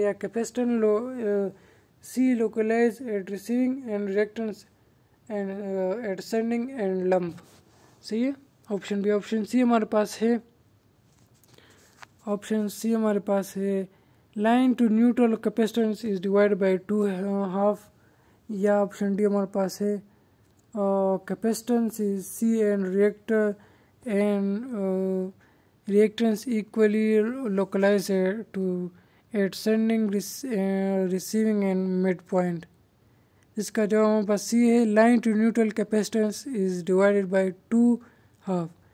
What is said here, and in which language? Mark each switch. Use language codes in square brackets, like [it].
[en] या capacitors C localized at receiving and reactants and at sending and lump. [hi] सही है, option B, option C हमारे पास है. Option C हमारे पास है. [en] Line to neutral capacitance is divided by 2 half. [hi] Yeah, option D हमारे पास है. [en] Capacitance is C and reactor and reactance equally localized to at sending, receiving and midpoint. [hi] इसका जवाब हमारे पास C है. [en] Line to neutral capacitance is divided by 2 half.